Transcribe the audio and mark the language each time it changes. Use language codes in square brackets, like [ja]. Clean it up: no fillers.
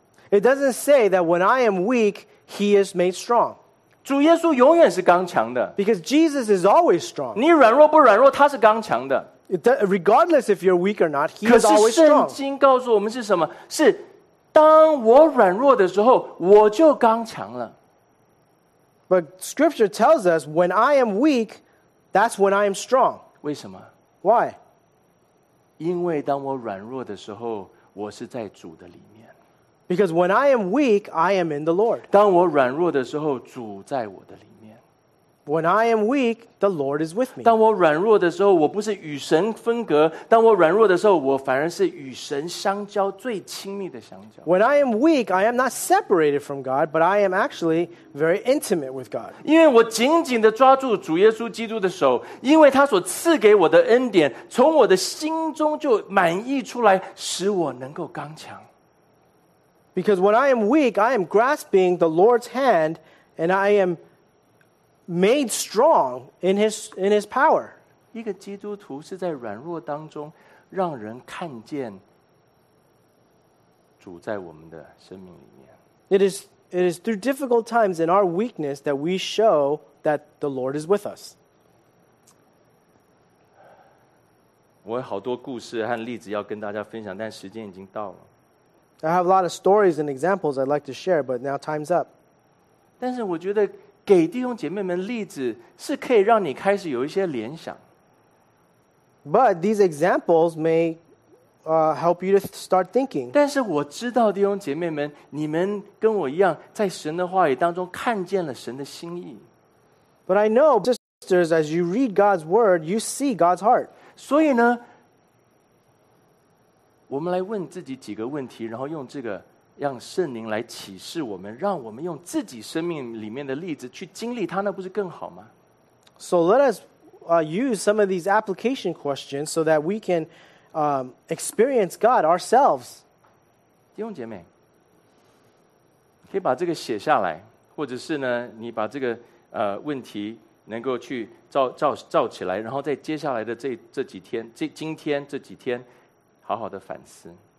[en] It doesn't say that when I am weak, He is made strong. [zh] 主耶稣永远是刚强的。 [en] Because Jesus is always strong. [zh] 你软弱不软弱，他是刚强的。 [en] Regardless if you're weak or not, He is always strong. [zh] 可是圣经告诉我们是什么？是当我软弱的时候，我就刚强了。 [en] But Scripture tells us when I am weak. That's when I am strong. [zh] 为什么？ [en] Why? [zh] 因为当我软弱的时候，我是在主的里面。 [en] Because when I am weak, I am in the Lord. [zh] 当我软弱的时候，主在我的里面。 [en] When I am weak, the Lord is with me. [zh] 当我软弱的时候，我不是与神分隔。当我软弱的时候，我反而是与神相交，最亲密的相交。 [en] When I am weak, I am not separated from God, but I am actually very intimate with God. [zh] 因为我紧紧地抓住主耶稣基督的手，因为他所赐给我的恩典，从我的心中就满溢出来，使我能够刚强。 [en] Because when I am weak, I am grasping the Lord's hand, and I am made strong in his power. [zh] 一个基督徒是在软弱当中让人看见主在我们的生命里面。 [en] It is through difficult times in our weakness that we show that the Lord is with us. [zh] 我有好多故事和例子要跟大家分享，但时间已经到了。 [en] I have a lot of stories and examples I'd like to share, but now time's up. [zh] 但是我觉得给弟兄姐妹们例子是可以让你开始有一些联想。 [en] But these examples may help you to start thinking. [zh] 但是我知道弟兄姐妹们，你们跟我一样，在神的话语当中看见了神的心意。 [en] But I know, sisters, as you read God's word, you see God's heart. [zh] 所以呢，我们来问自己几个问题，然后用这个让圣灵来启示我们，让我们用自己生命里面的例子去经历它，那不是更好吗？ [en] So let us use some of these application questions so that we can experience God ourselves. [zh] 弟兄姐妹，可以把这个写下来，或者是呢，你把这个问题能够去照起来，然后在接下来的这几天，今天这几天，好好的反思。